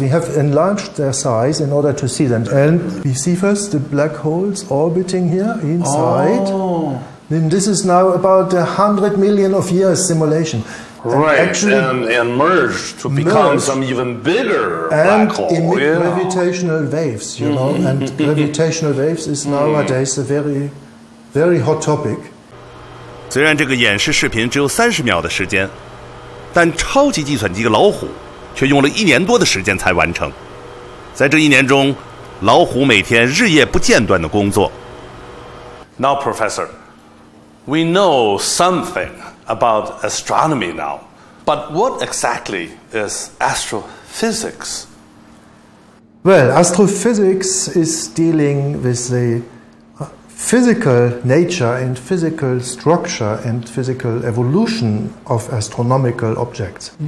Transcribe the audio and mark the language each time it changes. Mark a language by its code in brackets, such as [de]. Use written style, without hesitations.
[en] We have enlarged their size in order to see them. And we see first the black holes orbiting here inside. Oh. Then this is now about 100 million of years simulation. And merge to become some even bigger black hole. And emit gravitational waves, you know. And gravitational waves is nowadays a very, very hot topic. [zh] 虽然这个演示视频只有30秒的时间，但超级计算机老虎却用了1年多的时间才完成。在这1年中，老虎每天日夜不间断的工作。 [en] Now, Professor, we know something about astronomy now, but what exactly is astrophysics? Well, astrophysics is dealing with the physical nature and physical structure and physical evolution of astronomical objects.